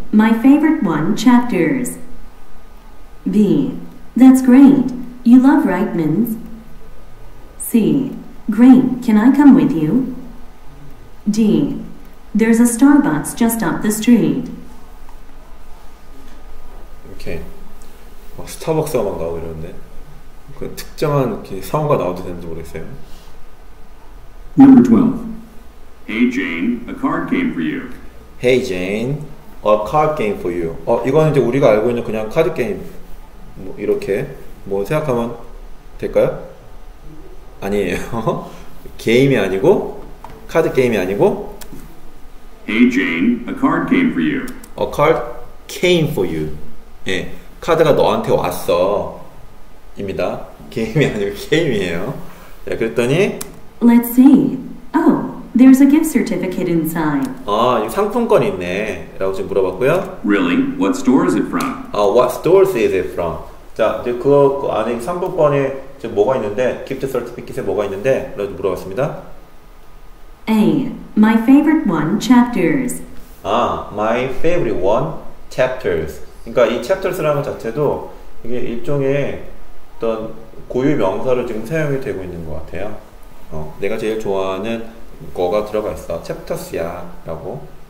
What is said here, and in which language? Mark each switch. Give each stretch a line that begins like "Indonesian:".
English: My favorite one, Chapters. B. That's great. You love Reitman's. C. Great. Can I come with you? D. There's a Starbucks just up the street. Okay.
Korean: 막 스타벅스만 가고 이러는데 그 특정한 상황과 나와도 되는지 모르겠어요.
English: Number 12. Hey Jane, a card came for you. Hey Jane, a card came for you.
Korean: 이거는 이제 우리가 알고 있는 그냥 카드 게임 뭐 이렇게 뭐 생각하면 될까요? 아니에요. 게임이 아니고 카드 게임이 아니고
English: Hey Jane, a card came for you. A card came for you.
Korean: 예, 카드가 너한테 왔어. 입니다. 게임이 아니고 게임이에요. 예, 그랬더니
English: Let's see. Oh, There's a gift certificate inside.
Korean: 아, 이거 상품권이 있네. 라고 지금 물어봤고요.
English: Really? What store is it from?
Korean: 아,
English: what stores is it from?
Korean: 자, 이제 그 안에 상품권에 지금 뭐가 있는데,
English: gift certificate
Korean: 에 뭐가 있는데, 라고 물어봤습니다.
English: A. My favorite one, chapters.
Korean: 아,
English: my favorite one, chapters.
Korean: 그러니까 이 chapters라는 것 자체도 이게 일종의 어떤 고유 명사로 지금 사용이 되고 있는 것 같아요. 어, 내가 제일 좋아하는 거가 들어가 있어. chapters야. 라고.